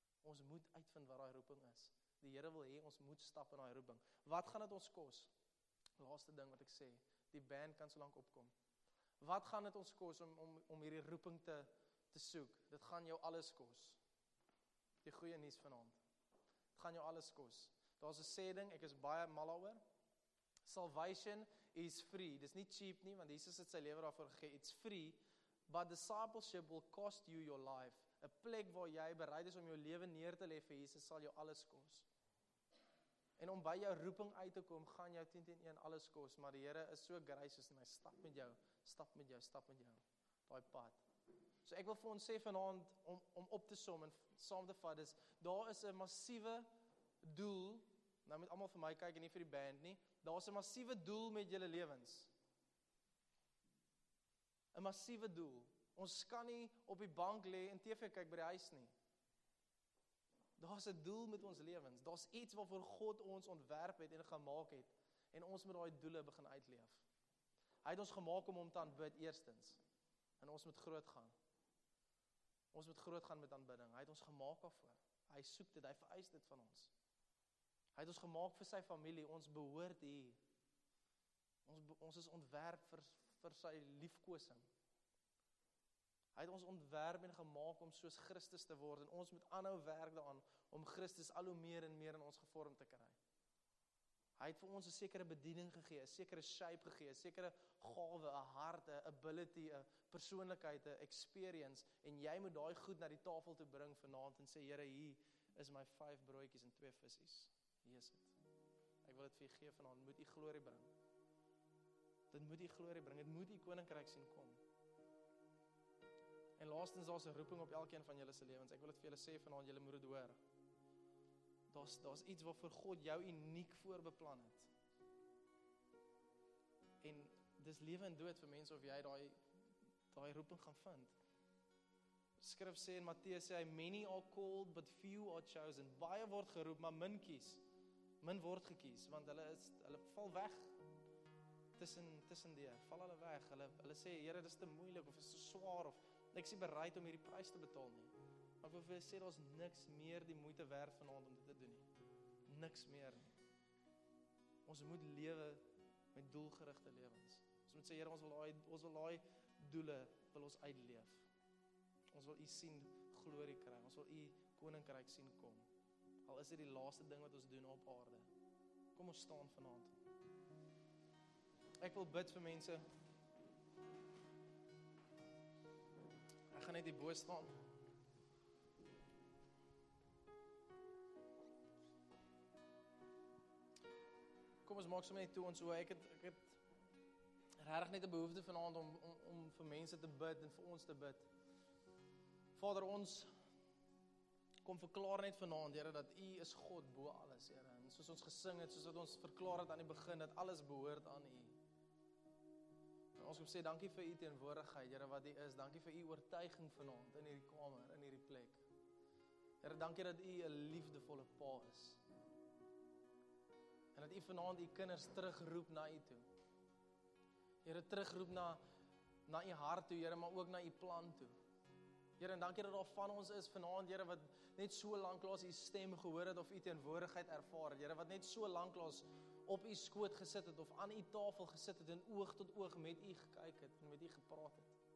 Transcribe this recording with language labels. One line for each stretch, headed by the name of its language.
Afrikaans: Ons moet uitvind wat daai roeping is. Die Here wil hê ons moet stap in daai roeping. Wat gaan dit ons kos? Laaste ding wat ek sê, die band kan so lank opkom. Wat gaan dit ons kos om hierdie roeping te soek. Dit gaan jou alles kos. Die goeie nuus vanaand. Dit gaan jou alles kos. Daar's 'n sê ding, ek is baie mal oor.
English: Salvation is free.
Afrikaans: Dis nie cheap nie, want Jesus het sy lewe daarvoor gegee.
English: It's free, but discipleship will cost you your life.
Afrikaans: 'N Plek waar jy bereid is om jou lewe neer te lê vir Jesus sal jou alles kos. En om by jou roeping uit te kom, gaan jou 10-10-1 alles kos, maar die Here is so gracious en hy stap met jou, stap met jou, stap met jou. Daai pad. So ek wil vir ons sê vanaand om op te som en saam te vat is, daar is 'n massiewe doel. Nou moet almal vir my kyk en nie vir die band nie. Daar's 'n massiewe doel met julle lewens. 'N Massiewe doel. Ons kan nie op die bank lê en TV kyk by die huis nie. Daar's 'n doel met ons lewens. Daar's iets waarvoor God ons ontwerp het en gemaak het en ons moet daai doele begin uitleef. Hy het ons gemaak om hom te aanbid eerstens. En ons moet groot gaan. Ons moet groot gaan met aanbidding. Hy het ons gemaak daarvoor. Hy soek dit, hy vereis dit van ons. Hy het ons gemaak vir sy familie, ons behoort hier. Ons is ontwerp vir sy liefkosing. Hy het ons ontwerp en gemaak om soos Christus te word en ons moet aanhou werk daaraan om Christus al hoe meer en meer in ons gevorm te kry. Hy het vir ons 'n sekere bediening gegee, 'n sekere shape gegee, 'n sekere gawe, 'n hart, 'n ability, 'n persoonlikheid, 'n experience en jy moet daai goed na die tafel toe bring vanaand en sê Here, hier is my 5 broodjies en 2 visies. Hier is dit. Ek wil dit vir u gee vanaand, moet u glorie bring. Dit moet u glorie bring, dit moet u koninkryk sien kom. En laastens, daar's 'n roeping op elkeen van julle se lewens. Ek wil dit vir julle sê vanaand, julle moet dit hoor. Daar's iets waarvoor God jou uniek voorbeplan het. En dis lewe en dood vir mense of jy daai roeping gaan vind. Skrif sê in Matteus sê hy,
English: many are called but few are chosen.
Afrikaans: Baie word geroep, maar min kies. Min word gekies, want hulle val weg tussen die, val hulle weg. Hulle sê, Here, dis te moeilik of is te swaar of ek is nie bereid om hierdie prys te betaal nie. Maar vir hulle sê, daar's niks meer die moeite werd vanaand om dit te doen nie. Niks meer nie. Ons moet lewe met doelgerigte lewens. Ons moet sê, Here, ons wil daai doele wil ons uitleef. Ons wil u sien glorie kry. Ons wil u koninkryk sien kom. Al is dit die laaste ding wat ons doen op aarde. Kom ons staan vanaand. Ek wil bid vir mense. Ek gaan net hier bo staan. Kom ons maak sommer net toe ons oor. Ek het regtig net 'n behoefte vanaand om vir mense te bid en vir ons te bid. Vader, ons kom verklaar net vanaand, Here, dat U is God bo alles, Here. En soos ons gesing het, soos wat ons verklaar het aan die begin, dat alles behoort aan U. En ons kom sê, dankie vir U teenwoordigheid, Here, wat U is. Dankie vir U oortuiging vanaand in hierdie kamer, in hierdie plek. Here, dankie dat U 'n liefdevolle pa is. En dat U vanaand U kinders terugroep na U toe. Here, terugroep na U hart toe, Here, maar ook na U plan toe. Here, en dankie dat daar van ons is vanaand, Here, wat net so lank laas U stem gehoor het of U teenwoordigheid ervaar het. Here, wat net so lank laas op U skoot gesit het of aan U tafel gesit het en oog tot oog met U gekyk het en met U gepraat het.